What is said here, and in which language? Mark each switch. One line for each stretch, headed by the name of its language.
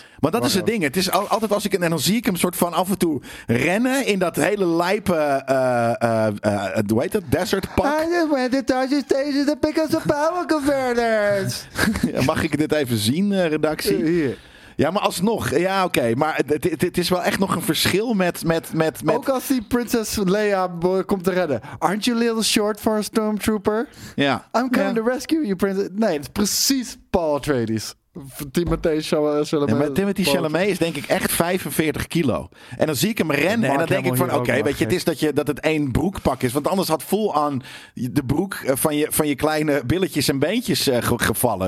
Dutch: Maar dat is het ding. Het is altijd als ik en dan zie ik hem soort van af en toe rennen in dat hele lijpe hoe heet dat? Desert pak.
English: I just went to touch the station to pick up some power converters.
Dutch: Mag ik dit even zien, redactie? Hier. Ja, maar alsnog. Ja, oké. Okay, maar het is wel echt nog een verschil met... Ook als die Prinses Leia komt te redden.
English: Aren't you a little short for a stormtrooper?
Dutch: Ja.
English: I'm coming to rescue you, Prinses.
Dutch: Nee, het is precies Paul Atreides. Timothée Chalamet. Ja, maar Timothée Chalamet is denk ik echt 45 kilo. En dan zie ik hem rennen en dan denk ik van oké, okay, weet je, het is dat het één broekpak is. Want anders had full aan de broek van je kleine billetjes en beentjes gevallen.